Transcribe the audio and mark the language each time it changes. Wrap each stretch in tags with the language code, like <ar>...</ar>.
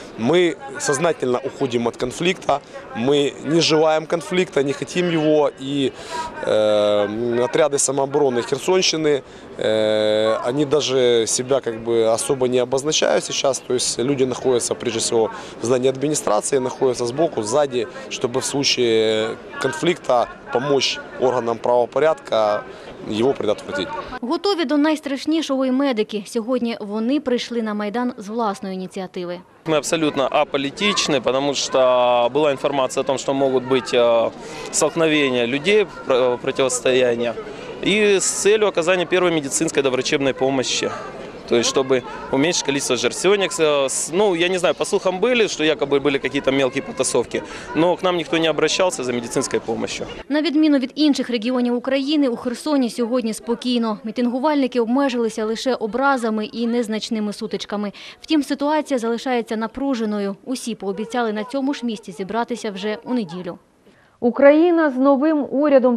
<ru>Мы сознательно уходим от конфликта, мы не желаем конфликта, не хотим его, и отряды самообороны Херсонщины, они даже себя как бы особо не обозначают сейчас, то есть люди находятся прежде всего в здании администрации, находятся сбоку, сзади, чтобы в случае конфликта помочь органам правопорядка його предотвратить.</ru> <uk>Готові до найстрашнішого і медики. Сьогодні вони прийшли на Майдан з власної ініціативи.</uk> <ru>Мы абсолютно аполитичны, потому что была информация о том, что могут быть столкновения людей, противостояния, и с целью оказания первой медицинской доврачебной помощи. То есть, чтобы уменьшить количество жертв. Сегодня, ну, я не знаю, по слухам были, что якобы были какие-то мелкие потасовки, но к нам никто не обращался за медицинской помощью.</ru> <uk>На відміну від інших регіонів України, у Херсоні сьогодні спокійно. Мітингувальники обмежилися лише образами і незначними сутичками. Втім, ситуація залишається напруженою. Усі пообіцяли на цьому ж місці зібратися вже у неділю. Україна з новим урядом.</uk>